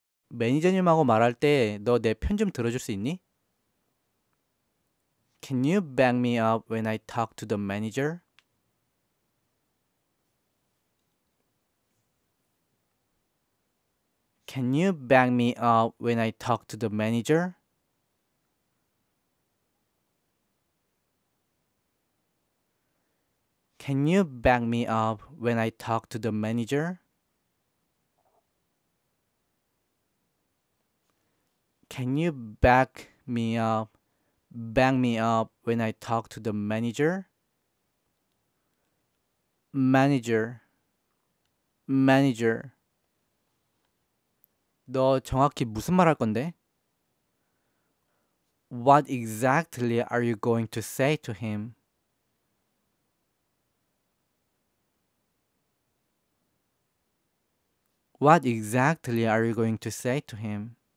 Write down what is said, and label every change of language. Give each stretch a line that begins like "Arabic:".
Korean: 매니저님하고 말할 때 너 내 편 좀 들어줄 수 있니?
English: Can you back me up when I talk to the manager? Can you back me up when I talk to the manager? Can you back me up when I talk to the manager? Can you back me up? Back me up when I talk to the manager? Manager. Manager.
Korean: 너 정확히 무슨 말할 건데?
English: What exactly are you going to say to him? What exactly are you going to say to him?